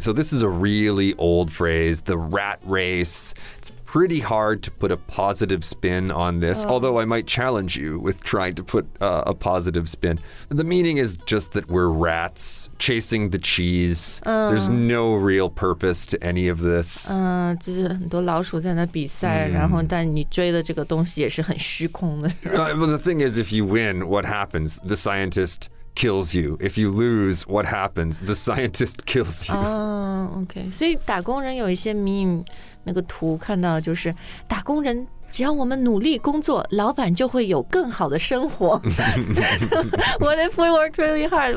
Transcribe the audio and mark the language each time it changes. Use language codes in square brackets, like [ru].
[en] So this is a really old phrase, the rat race. It's pretty hard to put a positive spin on this, although I might challenge you with trying to put a positive spin. The meaning is just that we're rats chasing the cheese. There's no real purpose to any of this. [zh] 就是很多老鼠在那比赛，然后但你追的这个东西也是很虚空的。 [en] Well, the thing is, if you win, what happens? The scientist kills you. If you lose, what happens? The scientist kills you. [zh] Okay. 所以打工人有一些 meme. 那个图看到就是打工人只要我们努力工作老板就会有更好的生活 [en] What if we work really hard?